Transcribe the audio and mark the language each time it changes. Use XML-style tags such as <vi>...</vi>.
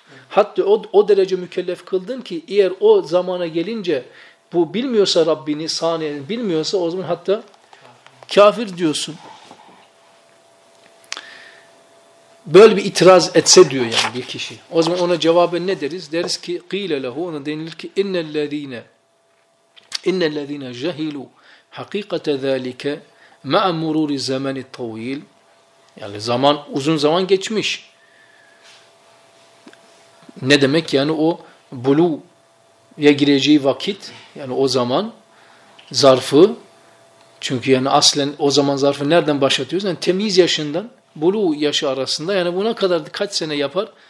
<tr>Hatta o derece mükellef kıldın ki eğer o zamana gelince bu bilmiyorsa Rabbini, saniyeni bilmiyorsa o zaman hatta kafir diyorsun. Böyle bir itiraz etse diyor yani bir kişi. O zaman ona cevaben ne deriz? Deriz ki</tr> <ar>قِيلَ لَهُ,</ar> <tr>ona denilir ki</tr> <ar>اِنَّ الَّذ۪ينَ جَهِلُوا حَقِيقَةَ ذَٰلِكَ مَا مُرُورِ زَمَنِ الطَّوِيلِ,</ar> <tr>yani zaman uzun zaman geçmiş. Ne demek yani o buluğa gireceği vakit, yani o zaman zarfı, çünkü yani aslen o zaman zarfı nereden başlatıyoruz? Yani temyiz yaşından buluğ yaşı arasında, yani buna kadar kaç sene yapar?</tr>